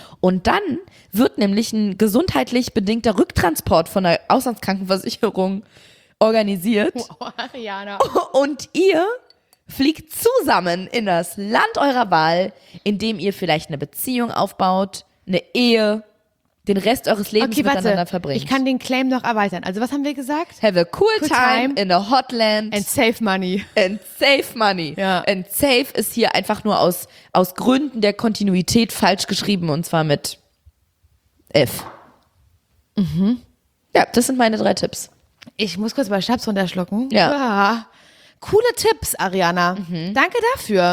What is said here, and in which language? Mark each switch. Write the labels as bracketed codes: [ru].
[de] Und dann wird nämlich ein gesundheitlich bedingter Rücktransport von der Auslandskrankenversicherung organisiert. Oh, Ariana. Und ihr fliegt zusammen in das Land eurer Wahl, in dem ihr vielleicht eine Beziehung aufbaut, eine Ehe, den Rest eures Lebens okay, miteinander warte, verbringt. Ich kann den Claim noch erweitern. Also was haben wir gesagt? [en] Have a cool time in a hot land. And save money. And save money. [de] Ja. And save ist hier einfach nur aus Gründen der Kontinuität falsch geschrieben und zwar mit F. Mhm. Ja, das sind meine drei Tipps. Ich muss kurz mal Schnaps runterschlucken. Ja. Coole Tipps, Ariana. Mhm. Danke dafür.